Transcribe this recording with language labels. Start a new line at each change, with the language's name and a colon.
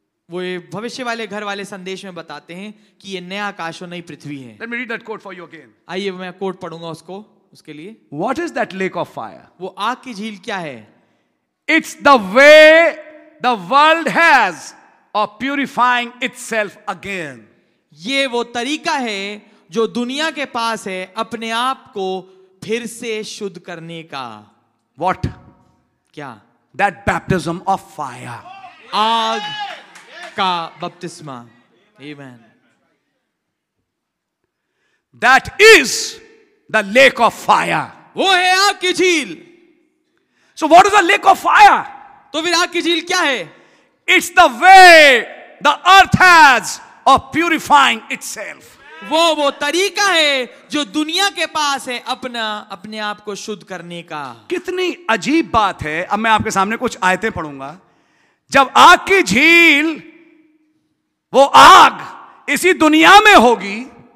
Hindi: वो भविष्य वाले घर वाले संदेश में बताते हैं कि ये नया आकाश और नई पृथ्वी है.
English: Let me read that quote for you again.
Hindi: आइए मैं quote पढ़ूंगा उसको. उसके लिए.
English: What is that lake of fire?
Hindi: वो आग की झील क्या है?
English: It's the way the world has of purifying itself again.
Hindi: ये वो तरीका है जो दुनिया के पास है अपने आप को फिर से शुद्ध करने का.
English: What?
Hindi: क्या?
English: That baptism of fire.
Hindi: आग का बपतिस्मा. Amen.
English: That is the lake of fire.
Hindi: वो है आग की झील.
English: So what is the lake of fire?
Hindi: तो फिर आग की झील क्या है?
English: It's the way the earth has of purifying itself.
Hindi: वो तरीका है जो दुनिया के पास है अपना अपने आप को शुद्ध करने का. कितनी अजीब बात है. अब मैं आपके सामने कुछ आयतें पढ़ूंगा. जब आग की झील वो आग इसी दुनिया में होगी.